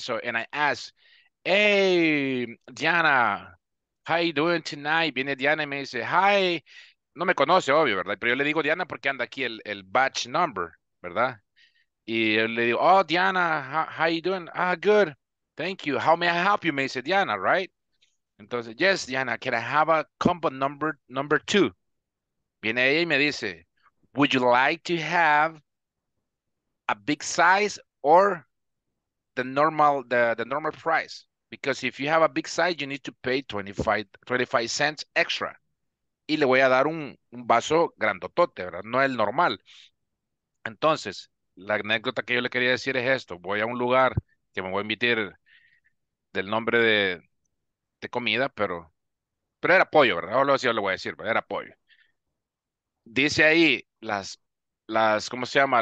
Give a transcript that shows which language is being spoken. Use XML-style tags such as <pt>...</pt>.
<en>So, and I ask, hey, Diana, how are you doing tonight?</en> <es>Viene Diana y me dice, hi. No me conoce, obvio, ¿verdad? Pero yo le digo, Diana, porque anda aquí el batch number, ¿verdad? Y yo le digo,</es> <en>oh, Diana, how are you doing? Ah, good. Thank you. How may I help you, Miss Diana, right? Entonces, yes, Diana, can I have a combo number two?</en> <es>Viene ella y me dice,</es> <en>would you like to have a big size or the normal price? Because if you have a big size, you need to pay 25 cents extra.</en> <es>Y le voy a dar un vaso grandotote, ¿verdad? No el normal. Entonces, la anécdota que yo le quería decir es esto. Voy a un lugar que me voy a invitar del nombre de comida, pero era pollo, ¿verdad? O lo así, yo le voy a decir, pero era pollo. Dice ahí las ¿cómo se llama?</es>